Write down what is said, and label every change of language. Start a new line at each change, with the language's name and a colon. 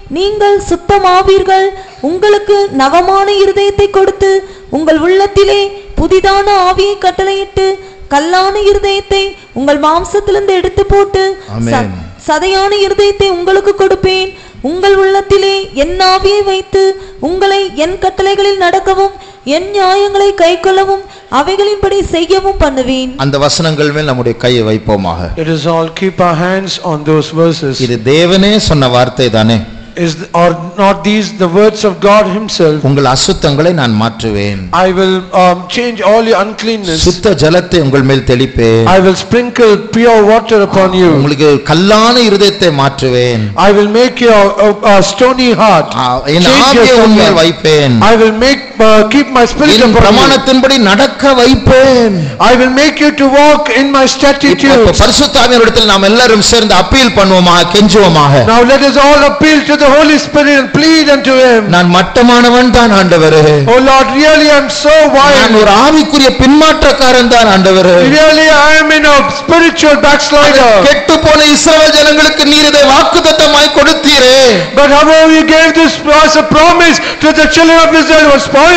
Tamil: நீங்கள் சுத்தமாவீர்கள். உங்களுக்கு நவமான இருதயத்தை கொடுத்து உங்கள் உள்ளத்திலே புதிதான ஆவியை கட்டளையிட்டு கல்லான இருதயத்தை உங்கள் மாம்சத்திலிருந்து எடுத்து போட்டு சதையான இருதயத்தை உங்களுக்கு கொடுப்பேன். உங்கள் உள்ளத்திலே என் ஆவியை வைத்து உங்களை என் கட்டளைகளில் நடக்கவும் என் நியாயங்களை கை கொள்ளவும் அவைகளின்படி செய்யவும் பண்ணுவேன். அந்த வசனங்கள் மேல் நம்முடைய கையை வைப்போமாக.
English: It is all keep our hands on those verses.
Tamil: இது தேவனே சொன்ன வார்த்தை தானே.
English: Is or not these the words of God himself?
Tamil: உங்கள் அசுத்தங்களை நான் மாற்றுவேன்.
English: I will change all your uncleanness.
Tamil: சுத்த ஜலத்தை உங்கள் மேல் தெளிப்பேன்.
English: I will sprinkle pure water upon you.
Tamil: உங்களுக்கு கல்லான இருதயத்தை மாற்றுவேன்.
English: I will make your stony heart.
Tamil: என் ஆவியை வைப்பேன்.
English: I will make keep my spirit upon you.
Tamil: பிரமாணத்தின்படி நடக்க வைப்பேன்.
English: I will make you to walk in my statutes.
Tamil: பரிசுத்த ஆவியினிடத்தில் நாம் எல்லாரும் சேர்ந்து appeal பண்ணுவோமாக, கெஞ்சுவோமாக.
English: Now let us all appeal to the Holy Spirit and plead unto him.
Tamil: நான் மட்டமானவன் தான் ஆண்டவரே.
English: Oh Lord, really I am so vile.
Tamil: நான் ஒரு ஆவிக்குரிய பின்மாற்றக்காரன் தான் ஆண்டவரே.
English: Really I am in a spiritual backslider.
Tamil: கெட்டு போன இஸ்ரவேல் ஜனங்களுக்கு நீர் இதை வாக்குத்தத்தமாய் கொடுத்தீரே.
English: But how you gave this as a promise to the children of Israel was